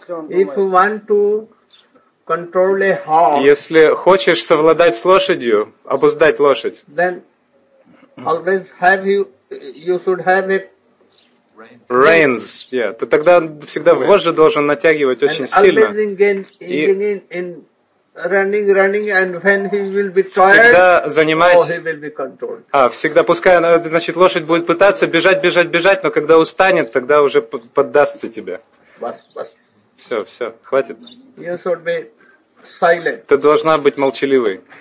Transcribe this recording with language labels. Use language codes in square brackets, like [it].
[en] If you want to control a horse, [ru] если хочешь совладать с лошадью, обуздать лошадь, [en] then always have you should have a reins. Yeah. [ru] То тогда всегда вожжи должен натягивать очень [en] and [ru] сильно. [en] Always in running, and when he will be tired, he will be controlled. [ru] А всегда пускай, значит, лошадь будет пытаться бежать, но когда устанет, тогда уже поддастся тебе. Бас. Все, хватит. [en] You should be silent. [ru] Ты должна быть молчаливой.